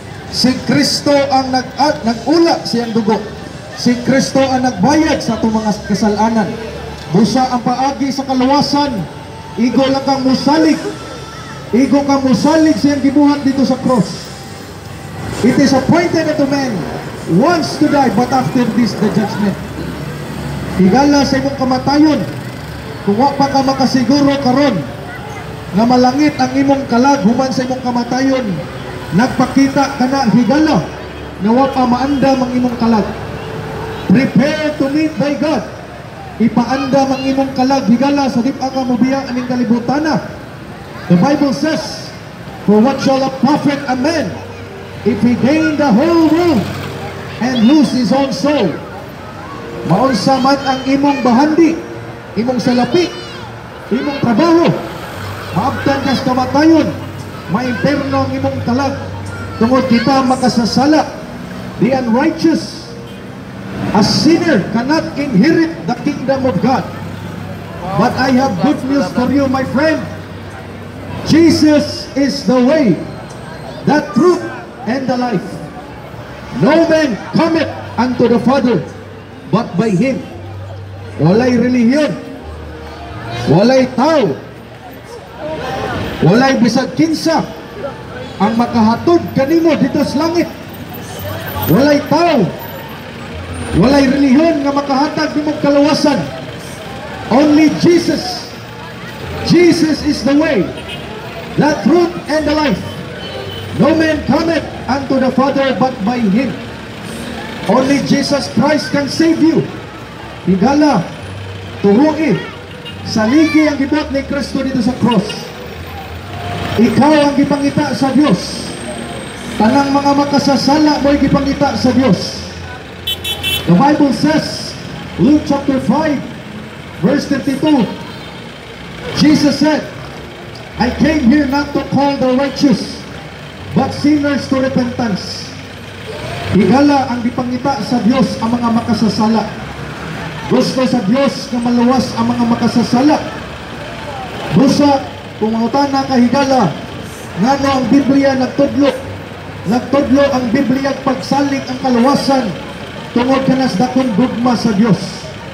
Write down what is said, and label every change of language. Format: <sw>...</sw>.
<ceb>Si Kristo ang nag-ula sa iyang dugo. Si Kristo ang nagbayad sa atong mga kasalanan. Busa ang paagi sa kaluwasan, igo lang kang musalig. Igo kang musalig sa iyang gibuhat dito sa cross.</ceb> <en>It is appointed unto men once to die, but after this the judgment.</en> <ceb>Higala sa imong kamatayon, kung wa pa ka makasiguro karon na malangit ang imong kalag human sa imong kamatayon, nagpakita kana higala na wapa maanda mang imong kalag.</ceb> <en>Prepare to meet by God.</en> <ceb>Ipaanda mang imong kalag higala sa dipaka mubiya aning kalibutana.</ceb> <en>The Bible says, for what shall a prophet a man if he gain the whole world and lose his own soul?</en> <ceb>Maunsa man ang imong bahandi, imong salapi, imong trabaho, maabtan ka sa kamatayon, maimperno ang imong kalag, tungod kita makasasala.</ceb> <en>The unrighteous, a sinner cannot inherit the kingdom of God. But I have good news for you, my friend. Jesus is the way, the truth, and the life. No man cometh unto the Father but by Him.</en> <ceb>Walay relihiyon, walay tao, walay bisag kinsa ang makahatod kanimo dito sa langit. Walay tao, walay relihiyon nga makahatag nimong kalawasan.</ceb> <en>Only Jesus. Jesus is the way, the truth, and the life. No man cometh unto the Father but by Him. Only Jesus Christ can save you.</en> <ceb>Higala, turungi, saligi ang gibuhat ni Kristo dito sa cross. Ikaw ang gipangita sa Dios. Tanang mga makasasala mo'y gipangita sa Dios.</ceb> <en>The Bible says, Luke chapter 5, verse 32, Jesus said, I came here not to call the righteous, but sinners to repentance.</en> <ceb>Higala ang gipangita sa Dios ang mga makasasala. Gusto sa Dios na maluwas ang mga makasasala. Busa, pumangutan na kahigala, ngano ang Biblia nagtudlo? Nagtudlo ang Biblia at pagsalig ang kaluwasan tungod ka nas dakong gugma sa Dios.</ceb>